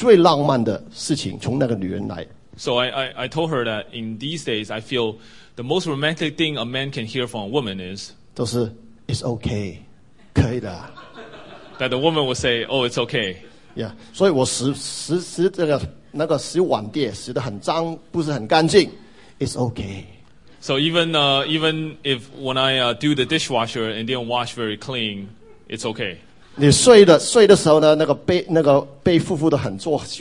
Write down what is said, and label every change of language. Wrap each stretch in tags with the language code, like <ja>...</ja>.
<zh>所以我就跟她说，到这个年头啊，我觉得最浪漫的事情，这个男人可以听见最浪漫的事情从那个女人来。</zh> <en>So I told her that in these days, I feel the most romantic thing a man can hear from a woman is</en> <zh>都是</zh> <en>it's okay,</en> <zh>可以的。</zh> <en>That the woman will say, oh, it's okay.</en> <zh>Yeah, 所以我洗碗碟洗得很脏，不是很干净。</zh> <en>It's okay. So even if when I do the dishwasher and didn't wash very clean, it's okay.</en> <zh>你睡的时候呢，那个被覆覆的很潮。</zh>